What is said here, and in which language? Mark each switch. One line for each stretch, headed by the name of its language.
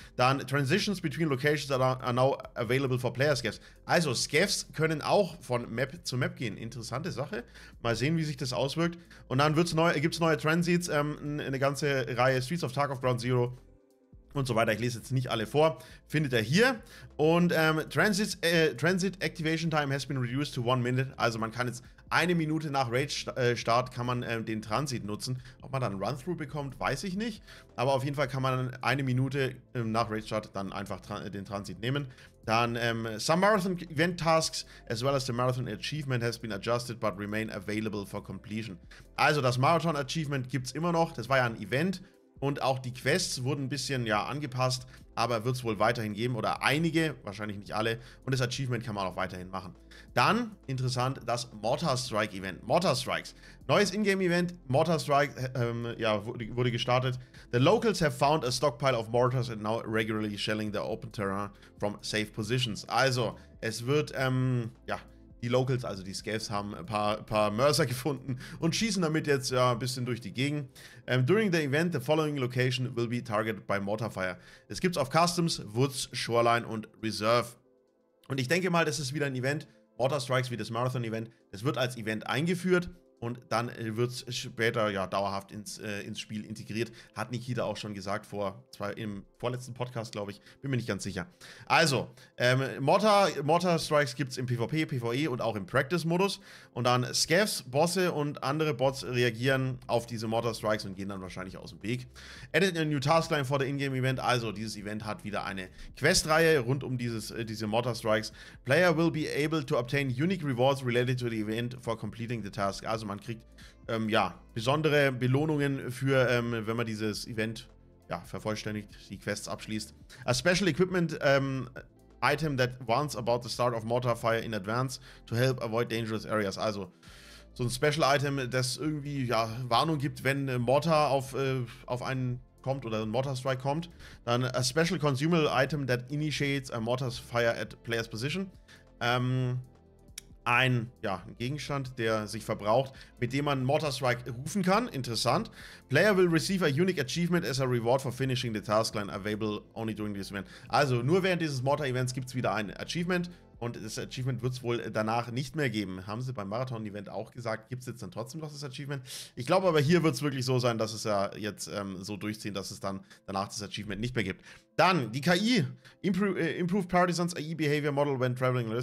English: Dann Transitions between Locations are now available for Player-Scavs.
German: Also, Scavs können auch von Map-to-Map gehen. Interessante Sache. Mal sehen, wie sich das auswirkt. Und dann gibt es neue Transits, eine ganze Reihe Streets of Tarkov Ground Zero und so weiter. Ich lese jetzt nicht alle vor. Findet ihr hier.
English: Und Transit Activation Time has been reduced to 1 minute.
German: Also man kann jetzt eine Minute nach Rage-Start kann man den Transit nutzen. Ob man dann Run-Through bekommt, weiß ich nicht. Aber auf jeden Fall kann man eine Minute nach Rage-Start dann einfach den Transit nehmen.
English: Dann some Marathon Event Tasks as well as the Marathon Achievement has been adjusted but remain available for completion.
German: Also das Marathon Achievement gibt es immer noch. Das war ja ein Event. Und auch die Quests wurden ein bisschen ja, angepasst, aber wird es wohl weiterhin geben oder einige, wahrscheinlich nicht alle. Und das Achievement kann man auch weiterhin machen. Dann, interessant, das Mortar Strike Event. Mortar Strikes. Neues Ingame Event, Mortar Strike, wurde gestartet.
English: The locals have found a stockpile of mortars and now regularly shelling their open terrain from safe positions.
German: Also, es wird, die Locals, also die Scavs, haben ein paar Mörser gefunden und schießen damit jetzt ja, ein bisschen durch die Gegend.
English: During the event, the following location will be targeted by Mortar Fire.
German: Es gibt es auf Customs, Woods, Shoreline und Reserve. Und ich denke mal, das ist wieder ein Event, Mortar Strikes wie das Marathon Event. Es wird als Event eingeführt und dann wird es später ja, dauerhaft ins Spiel integriert. Hat Nikita auch schon gesagt, im vorletzten Podcast, glaube ich. Bin mir nicht ganz sicher. Also, Mortar Strikes gibt es im PvP, PvE und auch im Practice-Modus. Und dann Scavs, Bosse und andere Bots reagieren auf diese Mortar Strikes und gehen dann wahrscheinlich aus dem Weg.
English: Edit a new taskline for the in-game-Event.
German: Also, dieses Event hat wieder eine Questreihe rund um diese Mortar Strikes.
English: Player will be able to obtain unique rewards related to the event for completing the task.
German: Also, man kriegt besondere Belohnungen für, wenn man dieses Event ja, vervollständigt, die Quests abschließt.
English: A special equipment item that warns about the start of mortar fire in advance to help avoid dangerous areas.
German: Also, so ein special item, das irgendwie ja, Warnung gibt, wenn Mortar auf einen kommt oder ein Mortar Strike kommt.
English: Dann a special consumable item that initiates a mortar fire at player's position.
German: Ein Gegenstand, der sich verbraucht, mit dem man Mortar Strike rufen kann. Interessant.
English: Player will receive a unique achievement as a reward for finishing the taskline available only during this event.
German: Also nur während dieses Mortar Events gibt es wieder ein Achievement und das Achievement wird es wohl danach nicht mehr geben. Haben sie beim Marathon-Event auch gesagt, gibt es jetzt dann trotzdem noch das Achievement? Ich glaube aber hier wird es wirklich so sein, dass es ja jetzt so durchziehen, dass es dann danach das Achievement nicht mehr gibt. Dann die KI.
English: Improved Partisans AI Behavior Model when traveling.